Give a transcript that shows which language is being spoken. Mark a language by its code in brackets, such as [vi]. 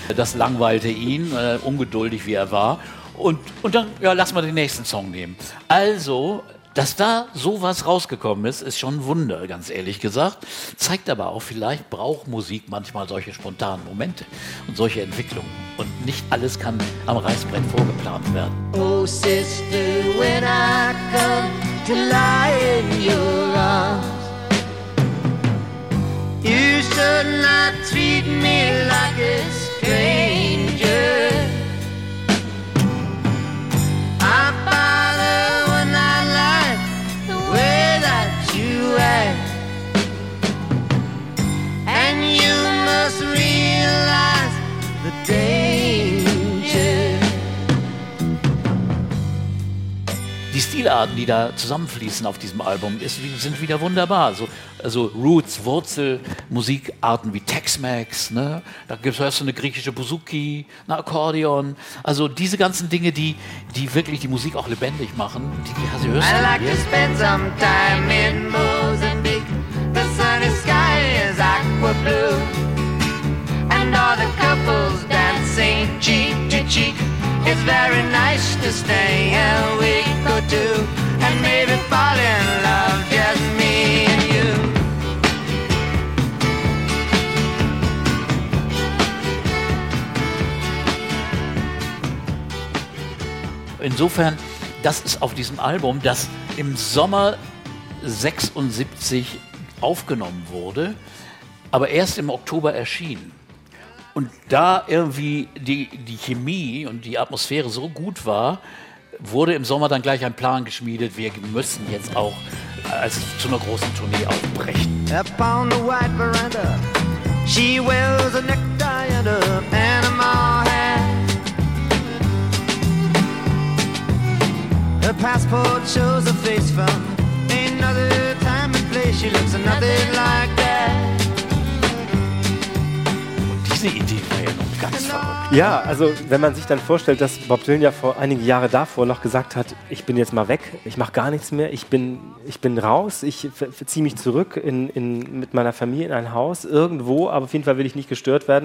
[de] Das langweilte ihn, ungeduldig wie er war. Und dann, ja, lass mal den nächsten Song nehmen. Also, dass da sowas rausgekommen ist, ist schon ein Wunder, ganz ehrlich gesagt. Zeigt aber auch, vielleicht braucht Musik manchmal solche spontanen Momente und solche Entwicklungen. Und nicht alles kann am Reißbrett vorgeplant werden. [en] Oh, Sister, when I come to lie in your arms, you should not treat me like a stranger. I follow when I like the way that you act, and you must realize the danger. [de] Die Stilarten, die da zusammenfließen auf diesem Album, sind wieder wunderbar. Also Roots, Wurzel, Musikarten wie Tex-Mex, ne? Da gibt es erst eine griechische Bouzouki, ein Akkordeon. Also diese ganzen Dinge, die wirklich die Musik auch lebendig machen, die hast du hörst. [en] I like to spend some time in Mozambique. The sunny sky is aqua blue. And all the couples dancing cheek to cheek. It's very nice to stay a week or two. And maybe fall in love just me. [de] Insofern, das ist auf diesem Album, das im Sommer 76 aufgenommen wurde, aber erst im Oktober erschien. Und da irgendwie die Chemie und die Atmosphäre so gut war, wurde im Sommer dann gleich ein Plan geschmiedet, wir müssen jetzt auch zu einer großen Tournee aufbrechen. [en] Up on the white veranda, she wears a necktie and a Panama hat. Her passport shows a face from another time and place. She looks nothing like that. [de] Diese Idee war ja noch ganz verrückt. Ja, also wenn man sich dann vorstellt, dass Bob Dylan ja vor einigen Jahren davor noch gesagt hat, ich bin jetzt mal weg, ich mache gar nichts mehr, ich bin raus, ich ziehe mich zurück mit meiner Familie in ein Haus, irgendwo, aber auf jeden Fall will ich nicht gestört werden.